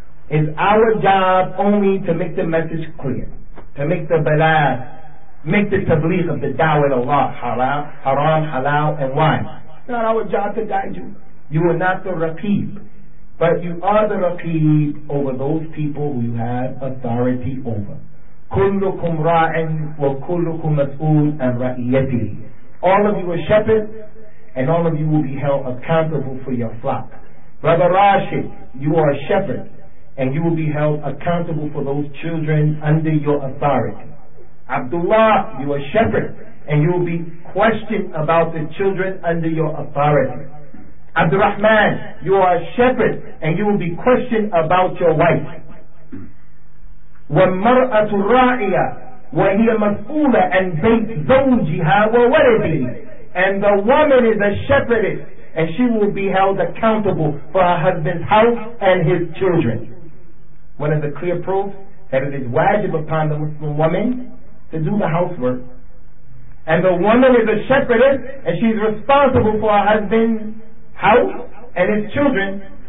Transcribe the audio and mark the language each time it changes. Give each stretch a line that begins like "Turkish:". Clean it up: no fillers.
English: It's our job only to make the message clear, to make the balaag, make the tabligh of the da'wah in Allah, haram, halal, and why? It's not our job to guide you. You are not the raqib, but you are the raqib over those people who you have authority over.
Arabic: كلكم راع وكلكم مسؤول عن رعيته.
English: All of you are shepherds, and all of you will be held accountable for your flock. Brother Rashid, you are a shepherd, and you will be held accountable for those children under your authority. Abdullah, you are a shepherd, and you will be questioned about the children under your authority. Abdurrahman, you are a shepherd, and you will be questioned about your wife.
Arabic: والمرأة الراعية وهي مسؤولة عن بيت زوجها وولده.
English: And the woman is a shepherdess, and she will be held accountable for her husband's house and his children. One of the clear proofs that it is wajib upon the Muslim woman to do the housework. And the woman is a shepherdess, and she's responsible for her husband's house and his children.